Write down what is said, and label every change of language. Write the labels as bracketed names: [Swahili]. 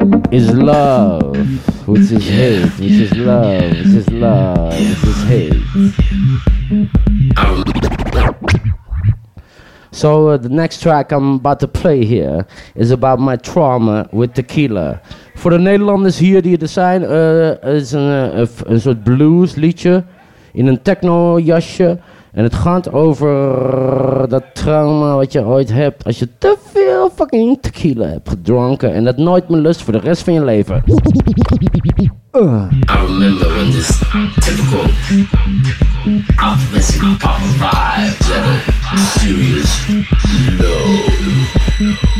[English] Is love, which is hate, which is love, which is love, which is hate. So the next track I'm about to play here is about my trauma with tequila. [Dutch] For the Nederlanders here, the design is een soort blues liedje in een techno jasje. En het gaat over dat trauma wat je ooit hebt als je te veel fucking tequila hebt gedronken. En dat nooit meer lust voor de rest van je leven. [English] I remember when this typical optimistic pop vibes at a serious low.